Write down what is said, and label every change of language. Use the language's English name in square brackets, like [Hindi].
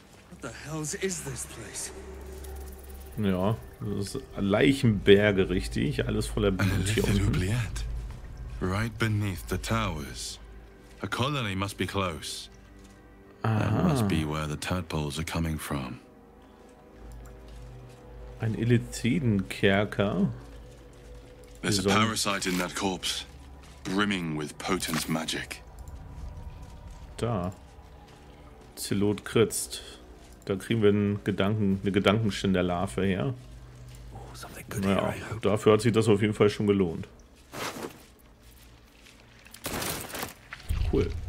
[English] What the hell is this place? [German] Ja, das ist Leichenberge, richtig? Alles voller Blut hier unten. [English] Right beneath the towers. A colony must be close. That must be where the tadpoles are coming from. [German] Ein Illithidenkerker. [English] There's a parasite in that corpse, brimming with potent magic. [German] Da. Zelot kritzt. Da kriegen wir eine Gedankenschinderlarve her. Naja, dafür hat sich das auf jeden Fall schon gelohnt. Cool.